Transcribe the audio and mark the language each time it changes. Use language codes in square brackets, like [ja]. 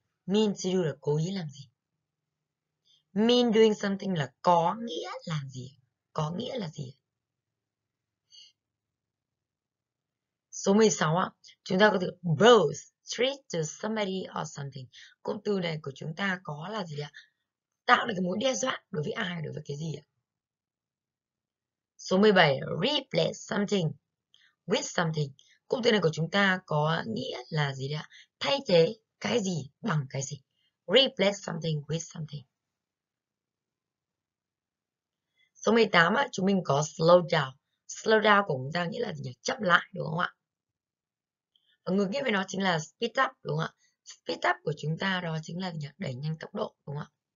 [en] Mean to do [vi] là cố ý làm gì? [en] Mean doing something [vi] là có nghĩa làm gì? Có nghĩa là gì? Số 16 ạ, chúng ta có từ [en] boast, treat to somebody or something. [vi] Cụm từ này của chúng ta có là gì ạ? Tạo được cái mối đe dọa đối với ai, đối với cái gì ạ? Số 17, [en] replace something with something. [vi] Cụm từ này của chúng ta có nghĩa là gì đấy ạ? Thay thế cái gì bằng cái gì? [en] Replace something with something. [vi] Số 18 ạ, chúng mình có slow down. Slow down của chúng ta nghĩa là gì nhỉ? Chậm lại đúng không ạ? Và ngược nghĩa với nó chính là speed up đúng không ạ? Speed up của chúng ta đó chính là gì nhỉ? Đẩy nhanh tốc độ đúng không ạ?